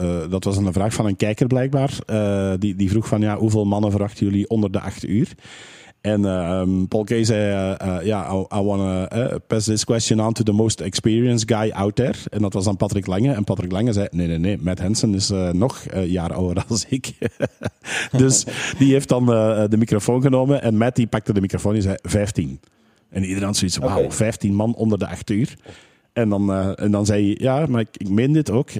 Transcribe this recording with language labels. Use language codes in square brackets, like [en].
[nl] dat was een vraag van een kijker blijkbaar. Die vroeg van, ja, hoeveel mannen verwachten jullie onder de 8 uur? [en] En Paul Kay zei, I want to pass this question on to the most experienced guy out there. [nl] En dat was dan Patrick Lange. En Patrick Lange zei, nee, Matt Hansen is nog een jaar ouder dan ik. Dus die heeft dan de microfoon genomen. En Matt die pakte de microfoon en zei, 15. En iedereen had zoiets, wauw, 15 man onder de 8 uur. En dan zei hij, ja, maar ik meen dit ook.